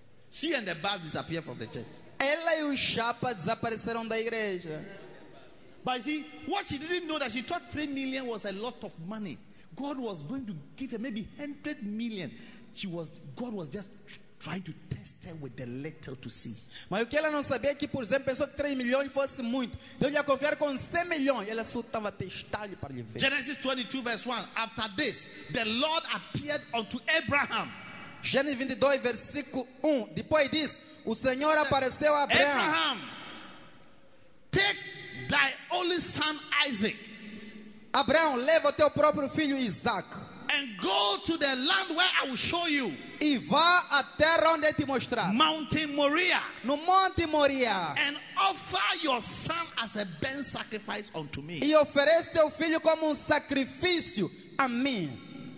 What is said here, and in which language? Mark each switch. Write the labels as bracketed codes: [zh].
[en] She and the bus disappeared from the church. [pt] Ela e o chapa desapareceram da igreja. [en] But you see, what she didn't know, that she thought 3 million was a lot of money. God was going to give her maybe 100 million. God was just trying to test her with the little to see. [pt] Mas o que ela não sabia é que, por exemplo, pensou que 3 milhões fosse muito. Deus ia confiar com 100 milhões. Ela só estava testando para lhe ver. [en] Genesis 22, verse 1. After this, the Lord appeared unto Abraham. [pt] Gênesis 22, versículo 1. Depois disso, o Senhor apareceu a Abraham. [en] Abraham, take thy only son Isaac. [pt] Abraão, leva teu próprio filho Isaac. [en] And go to the land where I will show you. [pt] E vá à terra onde te mostrar. [en] Mount Moria. [pt] No Monte Moria. [en] And offer your son as a burnt sacrifice unto me. [pt] E oferece teu filho como sacrifício a mim.